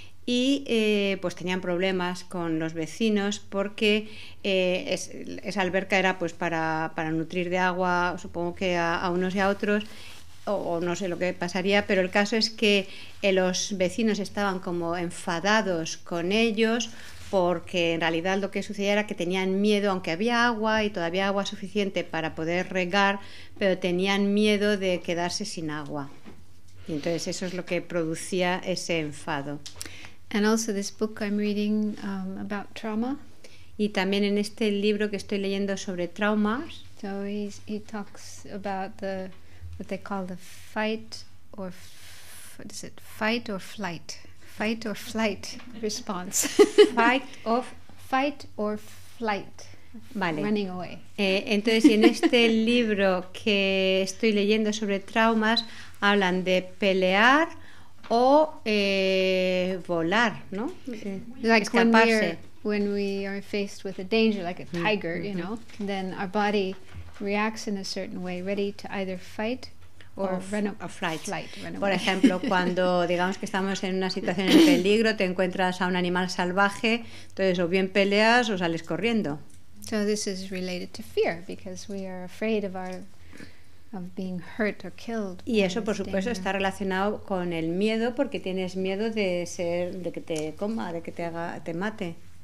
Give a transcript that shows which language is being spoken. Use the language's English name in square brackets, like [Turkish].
[Spanish] Y pues tenían problemas con los vecinos porque esa alberca era pues para nutrir de agua, supongo que a unos y a otros, o no sé lo que pasaría, pero el caso es que los vecinos estaban como enfadados con ellos porque en realidad lo que sucedía era que tenían miedo, aunque había agua y todavía agua suficiente para poder regar, pero tenían miedo de quedarse sin agua. Y entonces eso es lo que producía ese enfado. [English] And also this book I'm reading about trauma. [Spanish] Y también en este libro que estoy leyendo sobre traumas. [English] So he talks about the what they call the fight or flight response. fight or flight. [Spanish] Vale. [English] Running away. [Spanish] Entonces en este libro que estoy leyendo sobre traumas hablan de pelear o volar, ¿no? [English] Like when we are faced with a danger, like a tiger, you know, then our body reacts in a certain way, ready to either fight or flight. [Spanish] Por ejemplo, cuando digamos que estamos en una situación de peligro, te encuentras a un animal salvaje, entonces o bien peleas o sales corriendo. [English] So this is related to fear, because we are afraid of our of being hurt or killed. [Spanish] Y eso, por supuesto, está relacionado con el miedo, porque tienes miedo de ser, de que te coma, de que te haga, te mate.